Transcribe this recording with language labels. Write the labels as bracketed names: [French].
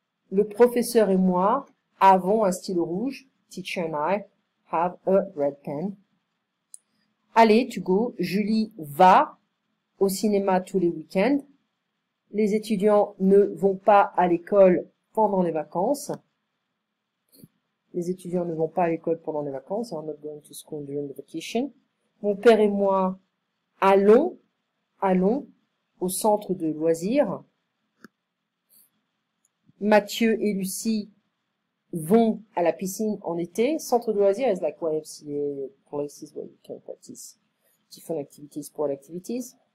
[French] Le professeur et moi avons un stylo rouge. [English] Teacher and I have a red pen. [French] Allez, tu go. Julie va au cinéma tous les week-ends. Les étudiants ne vont pas à l'école pendant les vacances. Les étudiants ne vont pas à l'école pendant les vacances. [English] They are not going to school during the vacation. [French] Mon père et moi allons au centre de loisirs. Mathieu et Lucie vont à la piscine en été. [English] Centre de loisirs is like YMCA places where you can practice different activities, sport activities.